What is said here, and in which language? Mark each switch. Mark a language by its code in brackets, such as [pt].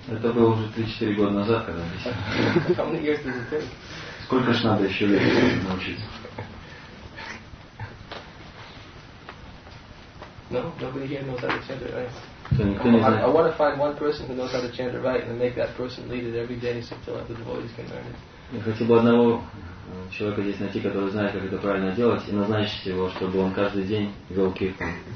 [ru] Это было уже 3-4 года назад, когда я. [en] How many years does it take? [ru] Сколько ж надо еще лет научиться? [en] No, nobody here knows how to chant it right. I want to find one person who knows how to chant it right and make that person lead it every day until the devotees can learn it. [ru] Я хотел бы одного человека здесь найти, который знает, как это правильно делать, и назначить его, чтобы он каждый день вел киртан.